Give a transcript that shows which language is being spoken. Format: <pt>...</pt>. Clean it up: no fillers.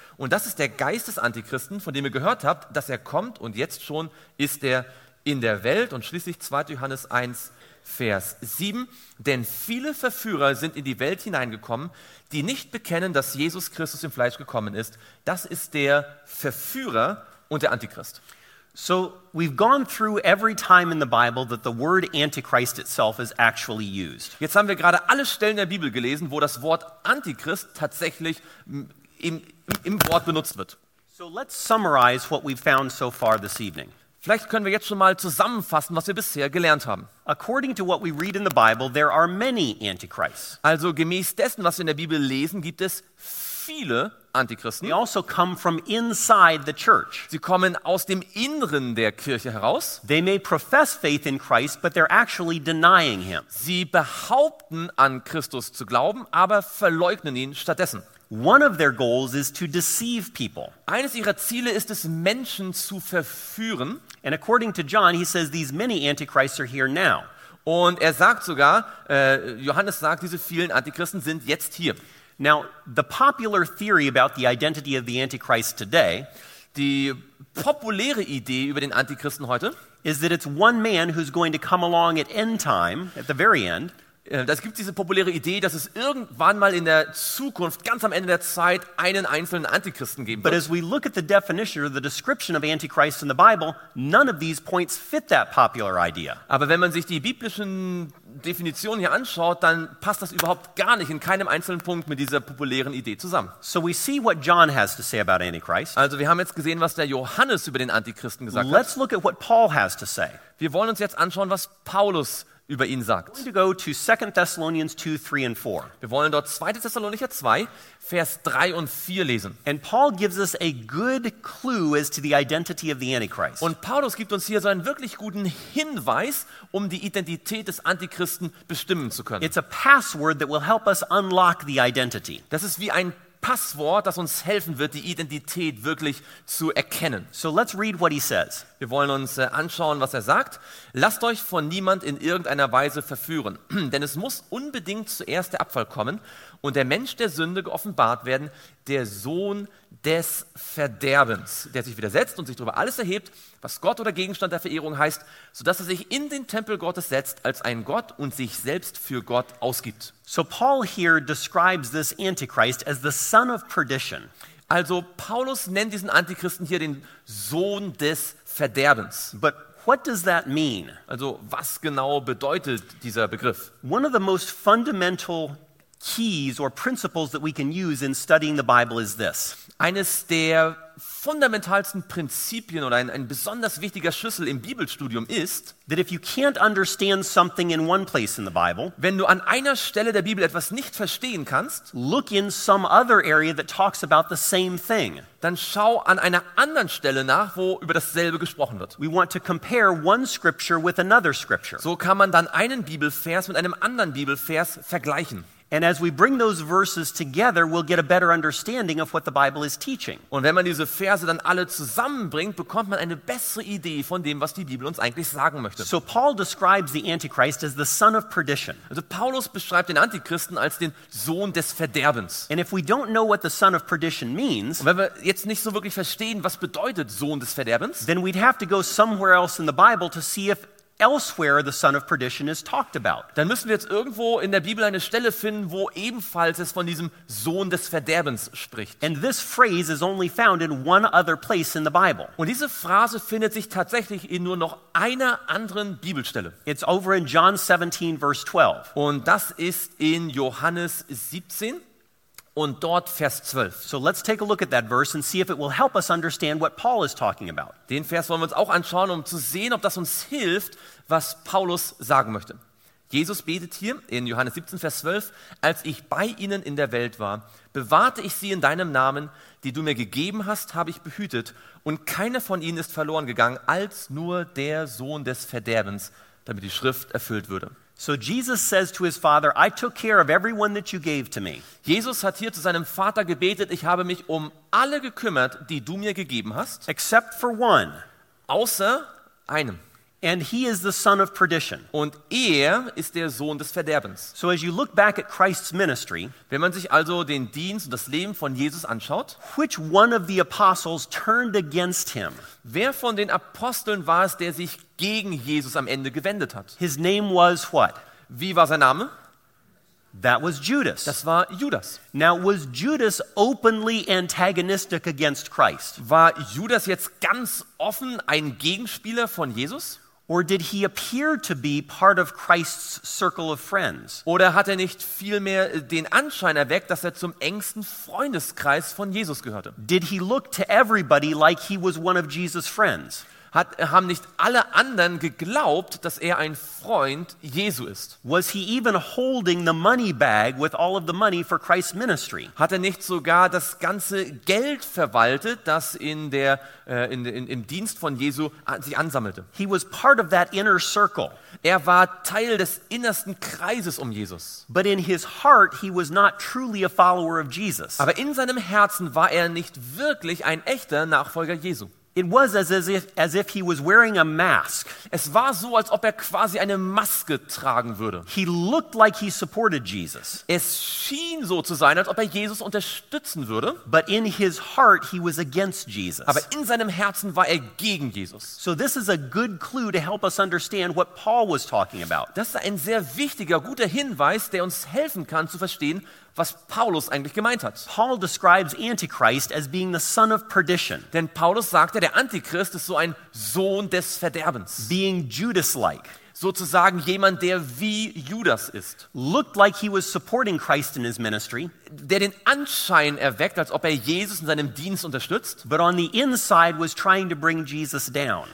<de>Und das ist der Geist des Antichristen, von dem ihr gehört habt, dass er kommt und jetzt schon ist er in der Welt. Und schließlich 2. Johannes 1, Vers 7. Denn viele Verführer sind in die Welt hineingekommen, die nicht bekennen, dass Jesus Christus im Fleisch gekommen ist. Das ist der Verführer und der Antichrist.</de> <en>So we've gone through every time in the Bible that the word Antichrist itself is actually used.</en> <de>Jetzt haben wir gerade alle Stellen der Bibel gelesen, wo das Wort Antichrist tatsächlich im Wort benutzt wird.</de> <en>So let's summarize what we've found so far this evening.</en> <de>Vielleicht können wir jetzt schon mal zusammenfassen, was wir bisher gelernt haben.</de> <en>According to what we read in the Bible, there are many Antichrists.</en> <de>Also gemäß dessen, was wir in der Bibel lesen, gibt es viele Antichristen.</de> <en>They also come from inside the church.</en> <de>Sie kommen aus dem Inneren der Kirche heraus.</de> <en>They may profess faith in Christ, but they're actually denying him.</en> <de>Sie behaupten, an Christus zu glauben, aber verleugnen ihn stattdessen.</de> <en>One of their goals is to deceive people.</en> <de>Eines ihrer Ziele ist es, Menschen zu verführen.</de> <en>And according to John, he says these many antichrists are here now.</en> <de>Und er sagt sogar, Johannes sagt, diese vielen Antichristen sind jetzt hier.</de> <en>Now, the popular theory about the identity of the Antichrist today,</en> <de>die populäre Idee über den Antichristen heute,</de> <en>is that it's one man who's going to come along at end time, at the very end.</en> <de>Das gibt diese populäre Idee, dass es irgendwann mal in der Zukunft, ganz am Ende der Zeit, einen einzelnen Antichristen geben wird.</de> <en>But as we look at the definition or the description of Antichrist in the Bible, none of these points fit that popular idea.</en> <de>Aber wenn man sich die biblischen Definition hier anschaut, dann passt das überhaupt gar nicht in keinem einzelnen Punkt mit dieser populären Idee zusammen.</de> <en>So we see what John has to say about Antichrist.</en> <de>Also wir haben jetzt gesehen, was der Johannes über den Antichristen gesagt hat.</de> <en>Let's look at what Paul has to say.</en> <de>Wir wollen uns jetzt anschauen, was Paulus über ihn sagt.</de> <en>We're going to go to 2 Thessalonians 2, 3 and 4.</en> <de>Wir wollen dort 2. Thessalonicher 2, Vers 3 und 4 lesen.</de> <en>And Paul gives us a good clue as to the identity of the Antichrist.</en> <de>Und Paulus gibt uns hier so einen wirklich guten Hinweis, um die Identität des Antichristen bestimmen zu können.</de> <en>It's a password that will help us unlock the identity.</en> <de>Das ist wie ein Passwort, das uns helfen wird, die Identität wirklich zu erkennen.</de> <en>So let's read what he says.</en> <de>Wir wollen uns anschauen, was er sagt. Lasst euch von niemand in irgendeiner Weise verführen, denn es muss unbedingt zuerst der Abfall kommen und der Mensch der Sünde geoffenbart werden, der Sohn des Verderbens, der sich widersetzt und sich darüber alles erhebt, was Gott oder Gegenstand der Verehrung heißt, sodass er sich in den Tempel Gottes setzt als ein Gott und sich selbst für Gott ausgibt.</de> <en>So Paul here describes this Antichrist as the son of perdition.</en> <de>Also Paulus nennt diesen Antichristen hier den Sohn des Verderbens.</de> <en>But what does that mean?</en> <de>Also was genau bedeutet dieser Begriff?</de> <en>One of the most fundamental keys or principles that we can use in studying the Bible is this.</en> <de>Eines der fundamentalsten Prinzipien oder ein besonders wichtiger Schlüssel im Bibelstudium ist,</de> <en>that if you can't understand something in one place in the Bible,</en> <de>wenn du an einer Stelle der Bibel etwas nicht verstehen kannst,</de> <en>look in some other area that talks about the same thing.</en> <de>Dann schau an einer anderen Stelle nach, wo über dasselbe gesprochen wird.</de> <en>We want to compare one scripture with another scripture.</en> <de>So kann man dann einen Bibelvers mit einem anderen Bibelvers vergleichen.</de> <en>And as we bring those verses together, we'll get a better understanding of what the Bible is teaching.</en> <de>Und wenn man diese Verse dann alle zusammenbringt, bekommt man eine bessere Idee von dem, was die Bibel uns eigentlich sagen möchte.</de> <en>So Paul describes the Antichrist as the son of perdition.</en> <de>Also Paulus beschreibt den Antichristen als den Sohn des Verderbens.</de> <en>And if we don't know what the son of perdition means,</en> <de>und wenn wir jetzt nicht so wirklich verstehen, was bedeutet Sohn des Verderbens,</de> <en>then we'd have to go somewhere else in the Bible to see if elsewhere the son of perdition is talked about.</en> <de>Dann müssen wir jetzt irgendwo in der Bibel eine Stelle finden, wo ebenfalls es von diesem Sohn des Verderbens spricht.</de> <en>And this phrase is only found in one other place in the Bible.</en> <de>Und diese Phrase findet sich tatsächlich in nur noch einer anderen Bibelstelle.</de> <en>It's over in John 17 verse 12.</en> <de>Und das ist in Johannes 17 und dort Vers 12.</de> <en>So let's take a look at that verse and see if it will help us understand what Paul is talking about.</en> <de>Den Vers wollen wir uns auch anschauen, um zu sehen, ob das uns hilft, was Paulus sagen möchte. Jesus betet hier in Johannes 17, Vers 12, als ich bei ihnen in der Welt war, bewahrte ich sie in deinem Namen, die du mir gegeben hast, habe ich behütet, und keiner von ihnen ist verloren gegangen, als nur der Sohn des Verderbens, damit die Schrift erfüllt würde.</de> <en>So Jesus says to his father, I took care of everyone that you gave to me.</en> <de>Jesus hat hier zu seinem Vater gebetet, ich habe mich um alle gekümmert, die du mir gegeben hast.</de> <en>Except for one.</en> <de>Außer einem.</de> <en>And he is the son of perdition.</en> <de>Und er ist der Sohn des Verderbens.</de> <en>So as you look back at Christ's ministry,</en> <de>wenn man sich also den Dienst und das Leben von Jesus anschaut,</de> <en>which one of the apostles turned against him?</en> <de>Wer von den Aposteln war es, der sich gegen Jesus am Ende gewendet hat?</de> <en>His name was what?</en> <de>Wie war sein Name?</de> <en>That was Judas.</en> <de>Das war Judas.</de> <en>Now was Judas openly antagonistic against Christ?</en> <de>War Judas jetzt ganz offen ein Gegenspieler von Jesus?</de> <en>Or did he appear to be part of Christ's circle of friends?</en> <de>Oder hat er nicht vielmehr den Anschein erweckt, dass er zum engsten Freundeskreis von Jesus gehörte?</de> <en>Did he look to everybody like he was one of Jesus' friends?</en> <de>Haben nicht alle anderen geglaubt, dass er ein Freund Jesu ist?</de> <en>Was he even holding the money bag with all of the money for Christ's ministry?</en> <de>Hat er nicht sogar das ganze Geld verwaltet, das im Dienst von Jesu sich ansammelte?</de> <en>He was part of that inner circle.</en> <de>Er war Teil des innersten Kreises um Jesus.</de> <en>But in his heart he was not truly a follower of Jesus.</en> <de>Aber in seinem Herzen war er nicht wirklich ein echter Nachfolger Jesu.</de> <en>It was as if he was wearing a mask.</en> <de>Es war so, als ob er quasi eine Maske tragen würde.</de> <en>He looked like he supported Jesus.</en> <de>Es schien so zu sein, als ob er Jesus unterstützen würde.</de> <en>But in his heart he was against Jesus.</en> <de>Aber in seinem Herzen war er gegen Jesus.</de> <en>So this is a good clue to help us understand what Paul was talking about.</en> <de>Das ist ein sehr wichtiger, guter Hinweis, der uns helfen kann zu verstehen, was Paulus eigentlich gemeint hat.</de> <en>Paul describes Antichrist as being the son of perdition.</en> <de>Denn Paulus sagte, der Antichrist ist so ein Sohn des Verderbens.</de> <en>Being Judas-like.</en> <de>sozusagen jemand, der wie Judas ist.</de> <en>Looked like he was supporting Christ in his ministry.</en> <de>Der den Anschein erweckt, als ob er Jesus in seinem Dienst unterstützt.</de> <en>But on the inside was trying to bring Jesus down.</en>